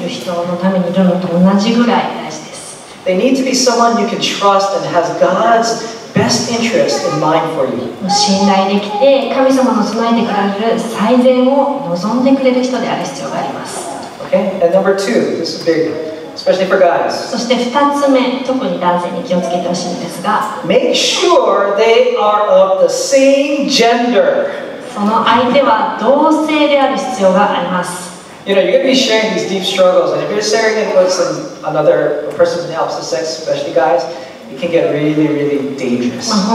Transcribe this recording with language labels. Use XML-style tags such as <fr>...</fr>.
<ja>自分の抱える内なる問題を共有する相手ですから、誰かお付き合いする人のためにいるのと同じぐらい大事です。</ja> <en>They need to be someone you can trust and has God's best interest in mind for you.</en> <ja>信頼できて神様の備えてくれる最善を望んでくれる人である必要があります。</ja> <en>Okay, and number two, this is big, especially for guys.</en> <ja>そして2つ目、特に男性に気をつけてほしいんですが、</ja> <en>Make sure they are of the same gender.</en> <ja>その相手は同性である必要があります。</ja> <en>You know, you're going to be sharing these deep struggles, and if you're sharing it with some another person from the opposite sex, especially guys, it can get really, really dangerous.</en>